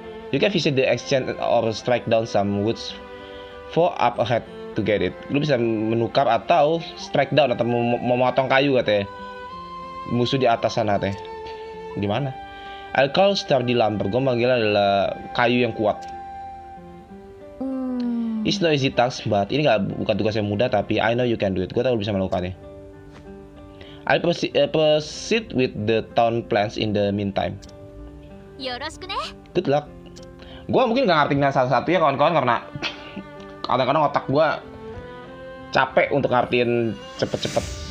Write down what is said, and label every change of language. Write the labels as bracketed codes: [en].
[en] You can visit the exchange or strike down some woods for up ahead to get it. [id] Lu bisa menukar atau [en] strike down [id] atau memotong kayu katanya. Musuh di atas sana teh. Di mana? [en] I'll call Star [id] di Lumber. Gua manggilnya adalah kayu yang kuat. [en] It's no easy task, but [id] ini bukan tugas yang mudah, tapi [en] I know you can do it. [id] Gua tahu lu bisa melakukannya. [en] I'll proceed with the town plans in the meantime. [ja] Yoroshiku ne. [en] Good luck. [id] Gua mungkin enggak ngerti nama satu-satunya kawan-kawan karena kadang-kadang otak gue capek untuk ngertiin cepet-cepet.